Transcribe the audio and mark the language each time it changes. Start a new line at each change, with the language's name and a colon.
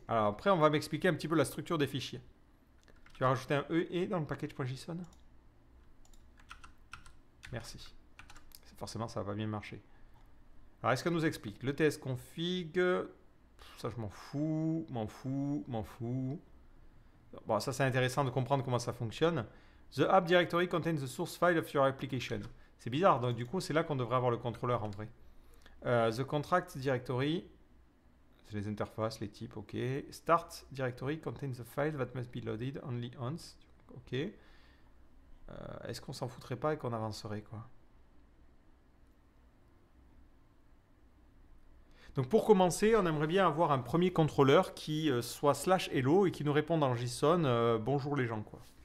French: Alors, après, on va m'expliquer un petit peu la structure des fichiers. Tu as rajouté un EE dans le package.json? Merci. Forcément, ça va bien marcher. Alors, est-ce qu'elle nous explique? Le TS config. Ça, je m'en fous. M'en fous. M'en fous. Bon, ça c'est intéressant de comprendre comment ça fonctionne.
English: The app directory contains the source file of your application.
French: C'est bizarre, donc du coup c'est là qu'on devrait avoir le contrôleur en vrai.
English: The contract directory,
French: c'est les interfaces, les types, ok.
English: Start directory contains the file that must be loaded only once, ok.
French: Est-ce qu'on s'en foutrait pas et qu'on avancerait quoi? Donc pour commencer, on aimerait bien avoir un premier contrôleur qui soit slash hello et qui nous réponde en JSON bonjour les gens quoi.